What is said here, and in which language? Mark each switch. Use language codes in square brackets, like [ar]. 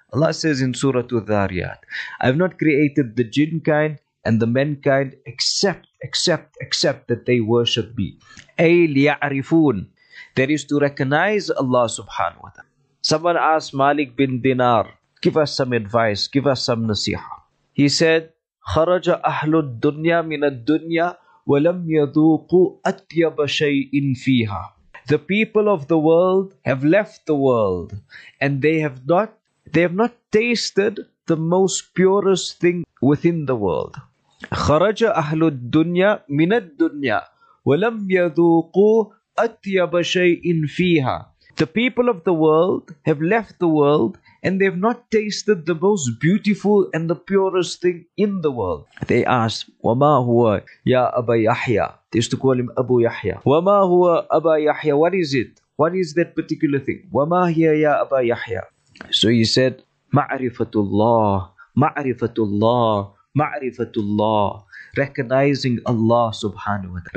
[en] Allah says in Surah Al-Dhariyat, I have not created the jinn kind and the mankind except that they worship me. [ar] أَيْ لِيَعْرِفُونَ. [en] That is to recognize Allah subhanahu wa ta'ala. Someone asked Malik bin Dinar, give us some advice, give us some nasiha. He said, [ar] خَرَجَ أَهْلُ الدُّنْيَا مِنَ الدُّنْيَا وَلَمْ يَذُوقُوا أَطْيَبَ شَيْءٍ فِيهَا. [en] The people of the world have left the world, and they have not tasted the most purest thing within the world. [ar] خَرَجَ أَهْلُ الدُّنْيَا مِنَ الدُّنْيَا وَلَمْ يَذُوقُوا أَطْيَبَ شَيْءٍ فِيهَا. [en] The people of the world have left the world, and they have not tasted the most beautiful and the purest thing in the world. They asked, [ar] وَمَا هُوَ يَا أَبَا يَحْيَا. [en] They used to call him Abu Yahya. [ar] وَمَا هُوَ أَبَا يَحْيَا. [en] What is it? What is that particular thing? [ar] وَمَا هِيَ يَا أَبَا يَحْيَا. [en] So he said, [ar] مَعْرِفَةُ اللَّهِ. مَعْرِفَةُ اللَّهِ. مَعْرِفَةُ اللَّهِ. [en] Recognizing Allah subhanahu wa ta'ala.